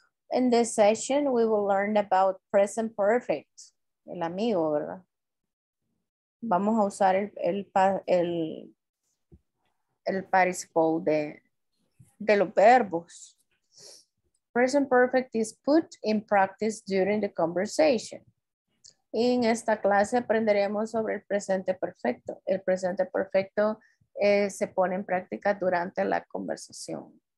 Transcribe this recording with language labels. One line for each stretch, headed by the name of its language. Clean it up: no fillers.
English: In this session, we will learn about present perfect.
Spanish: El amigo, ¿verdad? Vamos a usar el participle de los verbos.
English: Present perfect is put in practice during the conversation.
Spanish: En esta clase aprenderemos sobre el presente perfecto. El presente perfecto se pone en práctica durante la conversación.